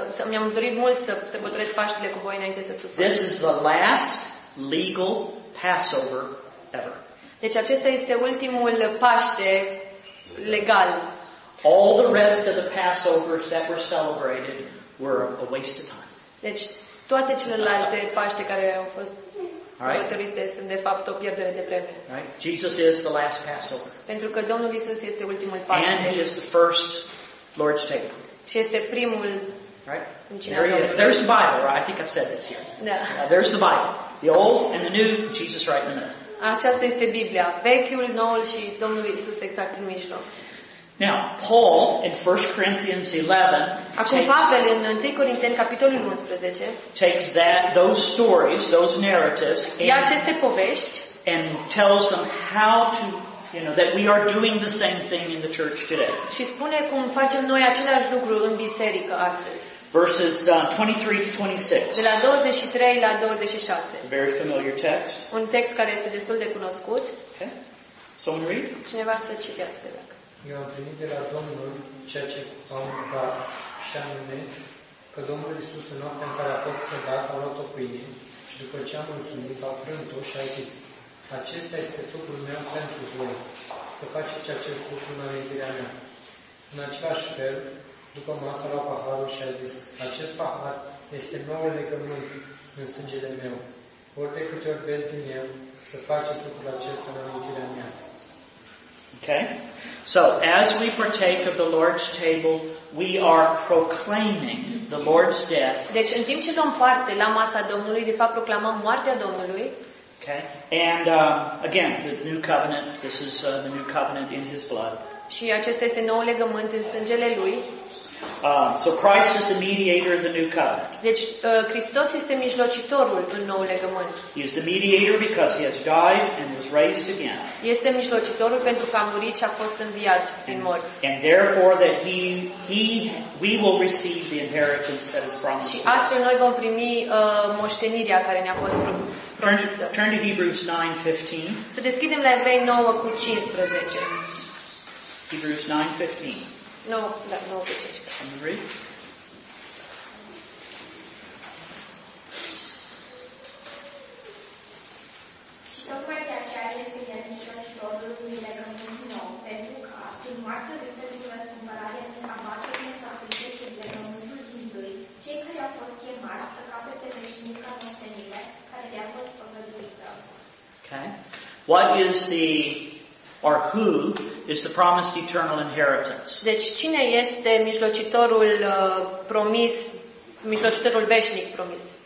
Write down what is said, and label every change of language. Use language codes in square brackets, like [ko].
[ro] Mi-am dorit mult să sărbătoresc Paștele cu voi înainte să sufăr. [en] This is the last legal Passover ever. [ro] Deci acesta este ultimul Paște legal. [en] All the rest of the Passovers that were celebrated were a waste of time. [ro] Deci toate celelalte Paște care au fost sărbătorite sunt de fapt o pierdere de vreme. [en] Right? Jesus is the last Passover. [ro] Pentru că Domnul Iisus este ultimul Paște. [en] And he is the first Lord's Table. [ro] Și este primul. [en] Right? There's the Bible, right? I think I've said this here. [ro] Da. [en] There's the Bible. The old and the new, Jesus right in the middle. [ro] Aceasta este Biblia. Vechiul, noul și Domnul Iisus exact în mijloc. [en] Now, Paul in 1 Corinthians 11 [ro] acum Pavel în 1 Corinteni capitolul 11 [en] takes that, those stories, those narratives [ro] ia aceste povești [en] and tells them how to You know, that we are doing the same thing in the church today. [ro] Și spune cum facem noi același lucru în biserică astăzi. [en] Verses 23-26. [ro] De la 23 la 26. [en] A very familiar text. [ro] Un text care este destul de cunoscut. [en] Okay. Someone read? [ro] Cineva să citească, dacă. Eu am primit de la Domnul ceea ce am dat, și anume că Domnul Iisus în noaptea în care a fost predat, a luat o pâine și după ce a mulțumit, a prânt-o și a zis: acesta este trupul meu pentru voi. Să faceți acest lucru în amintirea mea. În același fel, după masă, a luat paharul și a zis: acest pahar este nouă legământ în sângele meu. Ori de câte ori vezi din el, să faceți lucrul acesta în amintirea mea. [en] Okay? So, as we partake of the Lord's table, we are proclaiming the Lord's death. [ro] Deci, în timp ce luăm parte la masa Domnului, de fapt proclamăm moartea Domnului. [en] Okay? And again, the new covenant, this is the new covenant in his blood. [ro] Și acesta este nou legământ în sângele lui. [en] So Christ is the mediator of the new covenant. [ro] Deci Hristos este mijlocitorul în nou legământ. [en] He is the mediator because he has died and was raised again. [ro] Este mijlocitorul pentru că a murit și a fost înviat din morți. [en] And therefore that we will receive the inheritance that is promised. [ro] Și astfel noi vom primi moștenirea care ne-a fost promisă. [en] Turn to Hebrews 9:15. [ro] Să deschidem la Evrei 9:15. [en] Hebrews 9:15. No, read. [ro] Și tocmai de aceea este el mijlocitorul unui legământ nou, pentru că, prin moartea lui pentru răscumpărarea din abaterea capitului legământul din lui, cei care au fost chemați să capete veșnica moștenire care le-a fost făgăduită. [en] Okay. What is the or who is the promised eternal inheritance? [ro] Deci cine este mijlocitorul promis, mijlocitorul veșnic promis?